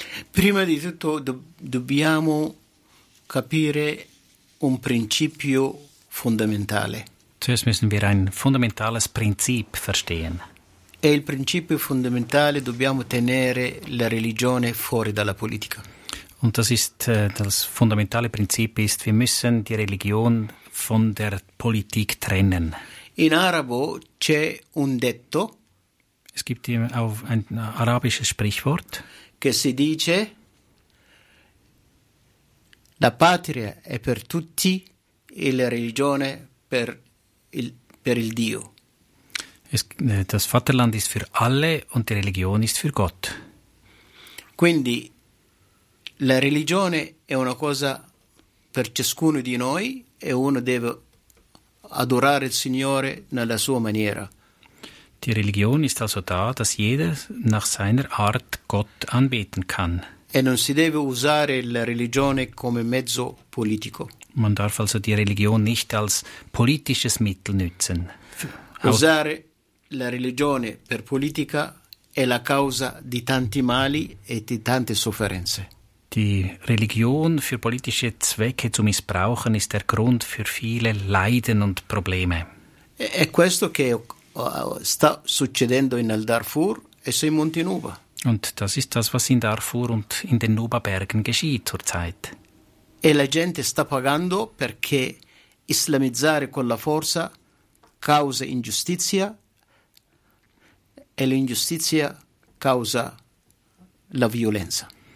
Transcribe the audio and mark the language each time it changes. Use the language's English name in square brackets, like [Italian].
[Italian] Prima di tutto dobbiamo capire un principio fondamentale. [German] Zuerst müssen wir ein fundamentales Prinzip verstehen. [Italian] E il principio fondamentale dobbiamo tenere la religione fuori dalla politica. [German] Und das ist das fondamentale Prinzip ist, wir müssen die Religion von der Politik trennen. [Italian] In Arabo c'è un detto. [German] Es gibt auch ein arabisches Sprichwort. [Italian] Che si dice: la patria è per tutti e la religione per il Dio. [German] Das Vaterland ist für alle und die Religion ist für Gott. [Italian] Quindi la religione è una cosa per ciascuno di noi e uno deve adorare il Signore nella sua maniera. [German] Die Religion ist also da, dass jeder nach seiner Art Gott anbeten kann. [Italian] E non si deve usare la religione come mezzo politico. [German] Man darf also die Religion nicht als politisches Mittel nutzen. [Italian] Usare la religione per politica è la causa di tanti mali e di tante sofferenze. [German] Die Religion für politische Zwecke zu missbrauchen ist der Grund für viele Leiden und Probleme. [Italian] È questo che sta succedendo in Darfur e sui Monti Nuba. [German] Und das ist das, was in Darfur und in den Nuba-Bergen geschieht zurzeit. [Italian] E la gente sta pagando perché islamizzare con la forza causa ingiustizia e l'ingiustizia causa la violenza.